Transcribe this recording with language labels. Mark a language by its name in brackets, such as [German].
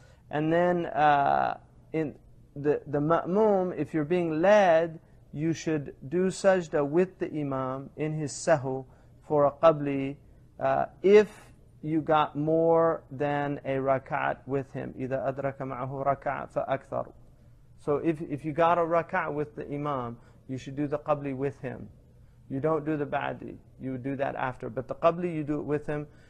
[English] And then in the ma'mum, if you're being led, you should do sajda with the imam in his sahu for a qabli if you got more than a raka'at with him. [Arabic] إذا أدرك معه raka'at فأكثر. [English] So if you got a raka'at with the imam, you should do the qabli with him. You don't do the ba'di. You do that after. But the qabli, you do it with him.